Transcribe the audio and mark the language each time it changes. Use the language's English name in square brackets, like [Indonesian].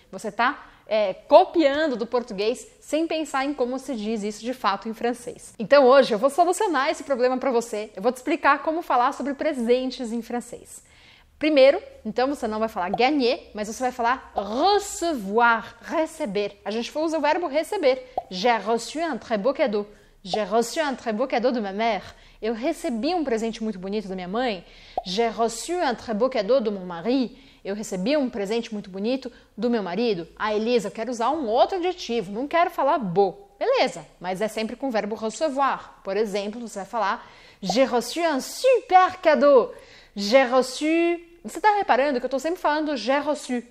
[Portuguese] Você está copiando do português sem pensar em como se diz isso de fato em francês. Então hoje eu vou solucionar esse problema para você. Eu vou te explicar como falar sobre presentes em francês. Primeiro, então você não vai falar gagner, mas você vai falar recevoir, receber. A gente usa o verbo receber. [French] J'ai reçu un très beau cadeau. J'ai reçu un très beau cadeau de ma mère. [Portuguese] Eu recebi um presente muito bonito da minha mãe. J'ai reçu un très beau cadeau de mon mari. Eu recebi um presente muito bonito do meu marido. Ah, Elisa, eu quero usar um outro adjetivo, não quero falar beau. Beleza, mas é sempre com o verbo recevoir. Por exemplo, você vai falar [French] j'ai reçu un super cadeau. J'ai reçu... [Portuguese] Você está reparando que eu estou sempre falando [French] j'ai reçu.